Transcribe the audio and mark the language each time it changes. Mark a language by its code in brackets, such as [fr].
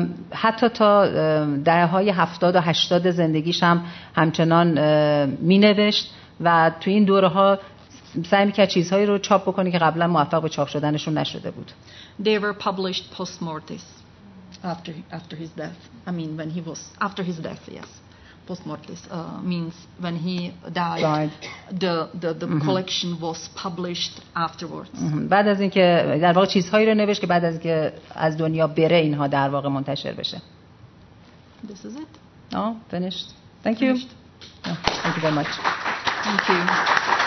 [fa] حتی تا دهه‌های 70 و 80 زندگیش هم همچنان مینوشت و تو این دوره‌ها سعی می‌کرد چیزهایی رو چاپ بکنه که قبلا موفق به چاپ شدنشون نشده بود. [en] They were published post-mortis after his death. I mean when he was after his death, yes. post-mortis means when he died. The collection was published afterwards. [fa] بعد از اینکه در واقع چیزهایی رو نوشت که بعد از اینکه از دنیا بره اینها در واقع منتشر بشه. [en] This is it. No, finished. Thank you. Thank you very much. Thank you.